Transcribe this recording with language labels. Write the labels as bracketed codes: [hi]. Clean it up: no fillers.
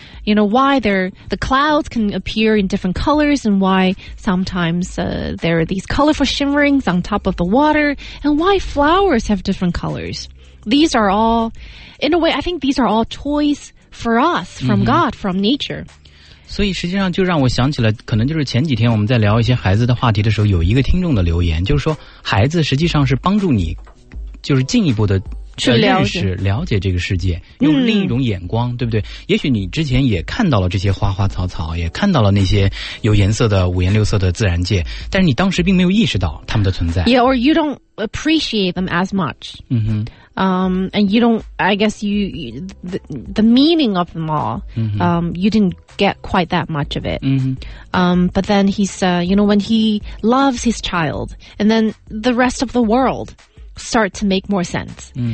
[en] You know, why the clouds can appear in different colors and why sometimes there are these colorful shimmerings on top of the water and why flowers have different colors. These are all, in a way, I think these are all toys for us, from God, from nature. [zh] 所以实际上就让我想起了，可能就是前几天我们在聊一些孩子的话题的时候，有一个听众的留言，就是说孩子实际上是帮助你，就是进一步的去了解，认识，了解这个世界，用另一种眼光，对不对？也许你之前也看到了这些花花草草，也看到了那些有颜色的五颜六色的自然界，但是你当时并没有意识到它们的存在。 [en] Yeah, or you don't appreciate them as much. And you don't, I guess the meaning of them all, you didn't get quite that much of it. But then when he loves his child, and then the rest of the world start to make more sense.